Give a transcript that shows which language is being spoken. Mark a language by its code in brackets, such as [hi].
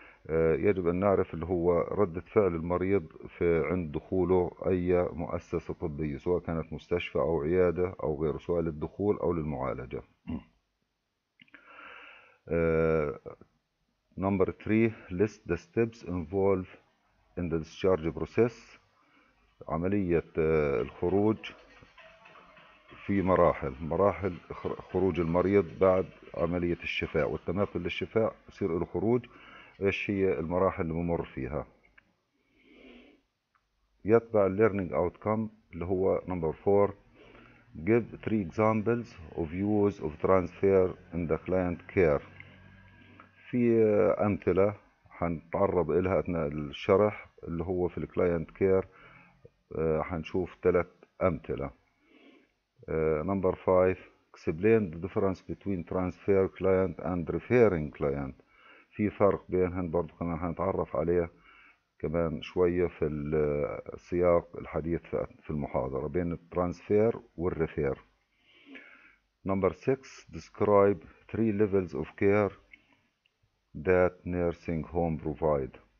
[ar] يجب أن نعرف اللي هو ردة فعل المريض في عند دخوله أي مؤسسة طبية، سواء كانت مستشفى أو عيادة أو غيره، سواء للدخول أو للمعالجة. [en] Number three, list the steps involved in the discharge process. [ar] عملية الخروج في مراحل خروج المريض بعد عملية الشفاء والتماثل للشفاء، يصير الخروج. ايش هي المراحل اللي بمر فيها؟ يتبع [en] learning outcome [ar] اللي هو [en] number four. Give three examples of use of transfer in the client care. [ar] في أمثلة حنتعرض إلها أثناء الشرح اللي هو في [en] client care. [ar] حنشوف ثلاث أمثلة. [en] Number five. Explain the difference between transfer client and referring client. [ar] في فرق بينهن برضو، كمان هنتعرف عليه كمان شوية في السياق الحديث في المحاضرة، بين الترانسفير والريفير. [en] Number six, describe three levels of care that nursing home provide.